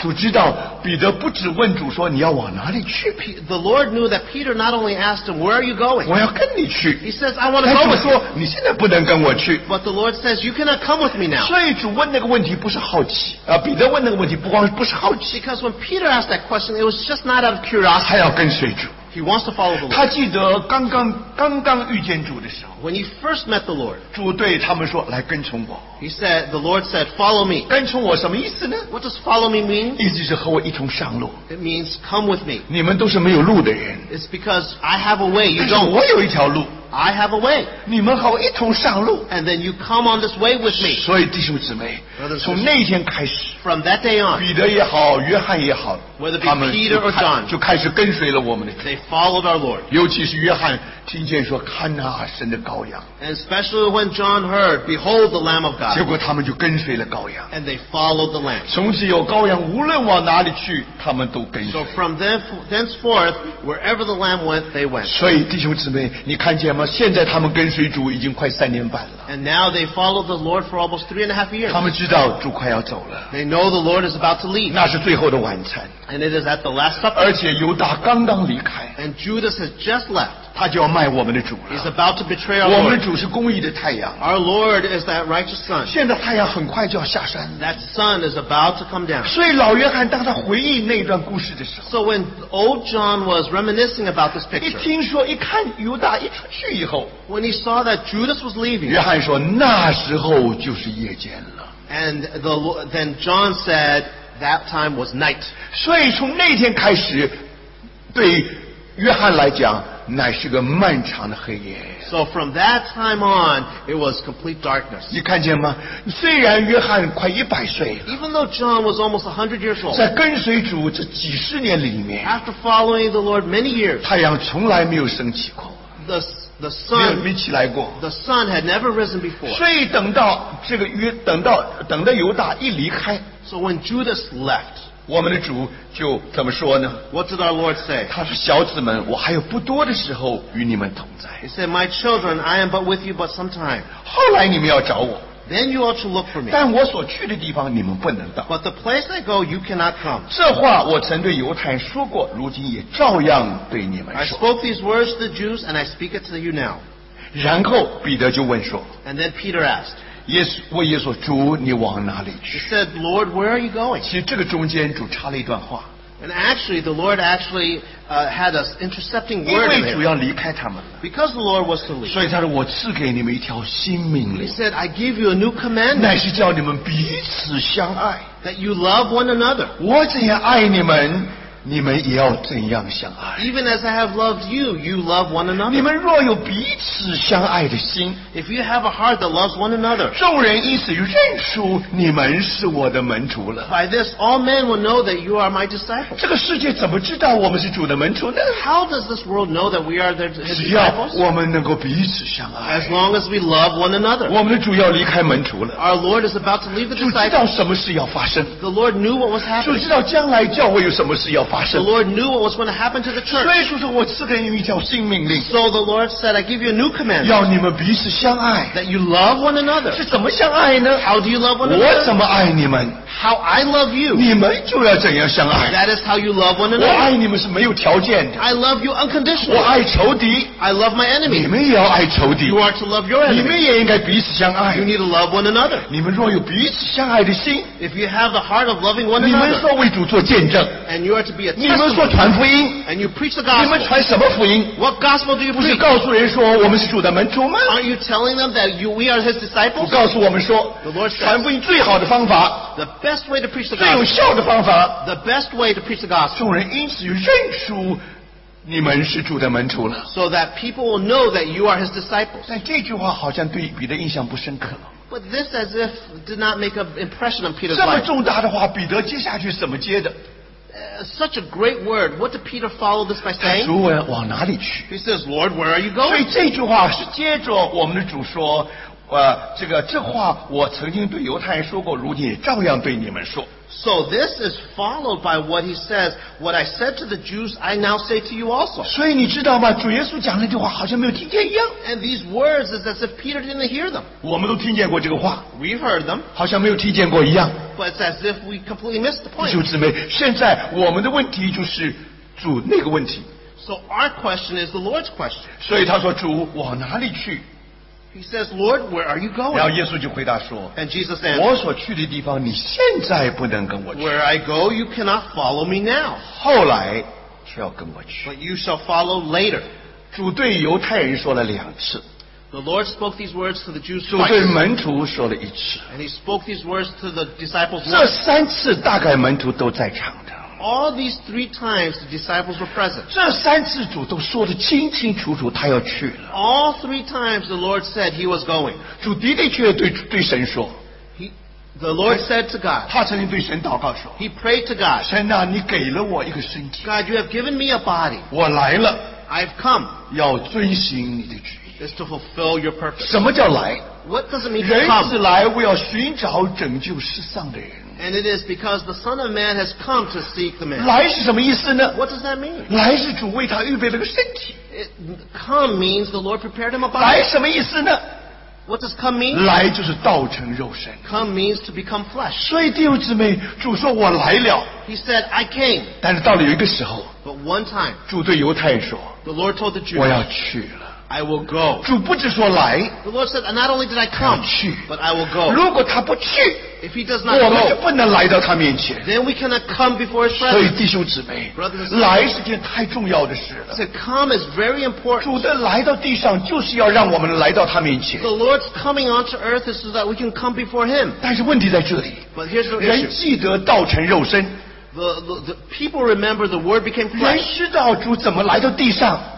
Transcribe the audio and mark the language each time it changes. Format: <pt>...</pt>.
<zh>主知道彼得不只问主说你要往哪里去</zh> <en>The Lord knew that Peter not only asked him, where are you going?</en> <zh>我要跟你去</zh> <en>He says, I want to go with you.</en> <zh>主说你现在不能跟我去</zh> <en>But the Lord says, you cannot come with me now.</en> <zh>所以主问那个问题不是好奇彼得问那个问题不光不是好奇</zh> <en>Because when Peter asked that question, it was just not out of curiosity.</en> <zh>他要跟随主</zh> <en>He wants to follow the Lord.</en> <zh>他记得刚刚遇见主的时候</zh> <en>When he first met the Lord,</en> <zh>主对他们说来跟从我</zh> <en>He said, the Lord said, follow me.</en> <zh>跟从我什么意思呢</zh> <en>What does follow me mean?</en> <zh>意思是和我一同上路</zh> <en>It means come with me.</en> <zh>你们都是没有路的人</zh> <en>It's because I have a way, you don't.</en> <zh>我有一条路</zh> <en>I have a way.</en> <zh>你们和我一同上路</zh> <en>And then you come on this way with me.</en> <zh>所以弟兄姊妹从那天开始</zh> <en>From that day on,</en> <zh>彼得也好约翰也好</zh> <en>Whether it be Peter or John,</en> <zh>就开始跟随了我们的</zh> <en>They followed our Lord.</en> <zh>尤其是约翰听见说看哪、啊、神的羔羊</zh> <en>And especially when John heard, behold the Lamb of God.</en> <zh>结果他们就跟随了羔羊</zh> <en>And they followed the Lamb.</en> <zh>从此有羔羊无论往哪里去他们都跟随</zh> <en>So from thenceforth, wherever the Lamb went, they went.</en> <zh>所以弟兄姊妹你看见吗现在他们跟随主已经快三年半了</zh> <en>And now they followed the Lord for almost 3.5 years.</en> <zh>他们知道主快要走了</zh> <en>They know the Lord is about to leave.</en> <zh>那是最后的晚餐</zh> <en>And it is at the last supper.</en> <zh>而且犹大刚刚离开</zh> <en>And Judas has just left.</en> <zh>他就要卖我们的主了</zh> <en>He's about to betray our Lord.</en> <zh>我们的主是公义的太阳</zh> <en>Our Lord is that righteous sun.</en> <zh>现在太阳很快就要下山</zh> <en>That sun is about to come down.</en> <zh>所以老约翰当他回忆那段故事的时候</zh> <en>So when old John was reminiscing about this picture.</en> <zh>一听说一看犹大一出去以后</zh> <en>When he saw that Judas was leaving.</en> <zh>约翰说那时候就是夜间了</zh> <en>And then John said that time was night.</en> <zh>所以从那天开始对约翰来讲乃是个漫长的黑夜。</zh> <en>So from that time on, it was complete darkness.</en> <zh>你看见吗？虽然约翰快一百岁了，</zh> <en>Even though John was almost 100 years old,</en> <zh>在跟随主这几十年里面，</zh> <en>After following the Lord many years,</en> <zh>太阳从来没有升起过。</zh> <en>The sun had never risen before.</en> <zh>所以等到这个约等到等到犹大一离开，</zh> <en>So when Judas left,</en> <zh>我们的主就怎么说呢？</zh> <en>What did our Lord say?</en> <zh>他说小子们，我还有不多的时候与你们同在。</zh> <en>He said, My children, I am but with you but some time.</en> <zh>后来你们要找我。</zh> <en>Then you ought to look for me.</en> <zh>但我所去的地方你们不能到。</zh> <en>But the place I go, you cannot come.</en> <zh>这话我曾对犹太人说过，如今也照样对你们说。</zh> <en>I spoke these words to the Jews, and I speak it to you now.</en> <zh>然后彼得就问说。</zh> <en>And then Peter asked.</en> <zh>耶稣问耶稣，主，你往哪里去？</zh> <en>He said, Lord, where are you going?</en> <zh>其实这个中间主插了一段话。</zh> <en>And actually, the Lord actually, had an intercepting word in there. Because the Lord was to leave.</en> <zh>所以他说，我赐给你们一条新命令。</zh> <en>He said, I give you a new commandment.</en> <zh>乃是叫你们彼此相爱。</zh> <en>That you love one another.</en> <zh>我怎样爱你们，你们也要怎样相爱。</zh> <en>Even as I have loved you, you love one another.</en> <zh>你们若有彼此相爱的心。</zh> <en>If you have a heart that loves one another.</en> <zh>众人因此认出你们是我的门徒了。</zh> <en>By this, all men will know that you are my disciples.</en> <zh>这个世界怎么知道我们是主的门徒呢？</zh> <en>How does this world know that we are their disciples?</en> <zh>只要我们能够彼此相爱。</zh> <en>As long as we love one another.</en> <zh>我们的主要离开门徒了。</zh> <en>Our Lord is about to leave the disciples.</en> <zh>主知道什么事要发生。</zh> <en>The Lord knew what was happening.</en> <zh>主知道将来教会有什么事要发生。</zh> <en>The Lord knew what was going to happen to the church.</en> <zh>所以主说，我赐给你们一条新命令。</zh> <en>So the Lord said, I give you a new command.</en> <zh>要你们彼此相爱。</zh> <en>That you love one another.</en> <zh>是怎么相爱呢？</zh> <en>How do you love one another?</en> <zh>我怎么爱你们？</zh> <en>How I love you.</en> <zh>你们就要怎样相爱？</zh> <en>That is how you love one another.</en> <zh>我爱你们是没有条件的。</zh> <en>I love you unconditionally.</en> <zh>我爱仇敌。</zh> <en>I love my enemy.</en> <zh>你们也要爱仇敌。</zh> <en>You are to love your enemy.</en> <zh>你们也应该彼此相爱。</zh> <en>You need to love one another.</en> <zh>你们若有彼此相爱的心。</zh> <en>If you have the heart of loving one another.</en> <zh>你们说为主做见证。</zh> <en>And you are to be a</en> <zh>你们说传福音，</zh> <en>and you preach the gospel.</en> <zh>你们传什么福音？</zh> <en>What gospel do you preach?</en> <zh>不是告诉人说我们是主的门徒吗？</zh> <en>Are you telling them that we are his disciples?</en> <zh>不告诉我们说，</zh> <en>the Lord says,</en> <zh>传福音最好的方法，</zh> <en>the best way to preach the gospel,</en> <zh>最有效的方法，</zh> <en>the best way to preach the gospel.</en> <zh>众人因此认出你们是主的门徒了，</zh> <en>so that people will know that you are his disciples.</en> <zh>但这句话好像对彼得印象不深刻了。</zh> <en>But this as if did not make an impression on Peter's life.</en> <zh>这么重大的话，彼得接下去怎么接的？</zh> <en>Such a great word. What did Peter follow this by saying?</en> <zh>主往哪里去？</zh> <en>He says, Lord, where are you going?</en> <zh>所以这句话是接着我们的主说，这话我曾经对犹太人说过，如今也照样对你们说。</zh> <en>So this is followed by what he says. What I said to the Jews, I now say to you also.</en> <zh>所以你知道吗？主耶稣讲那句话好像没有听见一样。</zh> <en>And these words is as if Peter didn't hear them.</en> <zh>我们都听见过这个话。</zh> <en>We've heard them.</en> <zh>好像没有听见过一样。</zh> <en>But it's as if we completely missed the point.</en> <zh>弟兄姊妹，现在我们的问题就是主那个问题。</zh> <en>So our question is the Lord's question.</en> <zh>所以他说，主往哪里去？</zh> <en>He says, Lord, where are you going?</en> <zh>然后耶稣就回答说，</zh> <en>And Jesus answered,</en> <zh>我所去的地方你现在不能跟我去。</zh> <en>Where I go, you cannot follow me now.</en> <zh>后来却要跟我去。</zh> <en>But you shall follow later.</en> <zh>主对犹太人说了两次。</zh> <en>The Lord spoke these words to the Jews twice.</en> <zh>主对门徒说了一次。</zh> <en>And he spoke these words to the disciples once.</en> <zh>这三次大概门徒都在场的。</zh> <en>All these three times the disciples were present.</en> <zh>这三次主都说得清清楚楚，他要去了。</zh> <en>All three times the Lord said he was going.</en> <zh>主的的确对神说。</zh> <en>The Lord said to God.</en> <zh>他曾经对神祷告说。</zh> <en>He prayed to God.</en> <zh>神啊，你给了我一个身体。</zh> <en>God, you have given me a body.</en> <zh>我来了。</zh> <en>I've come.</en> <zh>要遵行你的旨意。</zh> <en>Is to fulfill your purpose.</en> <zh>什么叫来？</zh> <en>What does it mean to come?</en> <zh>人子来，我要寻找拯救失丧的人。</zh> <en>And it is because the Son of Man has come to seek the man.</en> <zh>来是什么意思呢？</zh> <en>What does that mean?</en> <zh>来是主为他预备了个身体。</zh> <en>Come means the Lord prepared him a body.</en> <zh>来什么意思呢？</zh> <en>What does come mean?</en> <zh>来就是道成肉身。</zh> <en>Come means to become flesh.</en> <zh>所以弟兄姊妹，主说我来了。</zh> <en>He said, I came.</en> <zh>但是到了有一个时候。</zh> <en>But one time.</en> <zh>主对犹太人说。</zh> <en>The Lord told the Jews.</en> <zh>我要去了。</zh> <en>I will go.</en> <zh>主不只说来，</zh> <en>the Lord said, not only did I come,</en> <zh>他去，</zh> <en>but I will go.</en> <zh>如果他不去，</zh> <en>if he does not</en> <zh>我们就不能来到他面前，</zh> <en>then we cannot come before his presence.</en> <zh>所以弟兄姊妹，</zh> <en>brothers,</en> <zh>来是件太重要的事了。</zh> <en>To come is very important.</en> <zh>主的来到地上就是要让我们来到他面前。</zh> <en>The Lord's coming onto earth is so that we can come before him.</en> <zh>但是问题在这里，</zh> <en>but here's the issue.</en> <zh>人记得道成肉身，</zh> <en>the people remember the word became flesh.</en> <zh>人知道主怎么来到地上，</zh>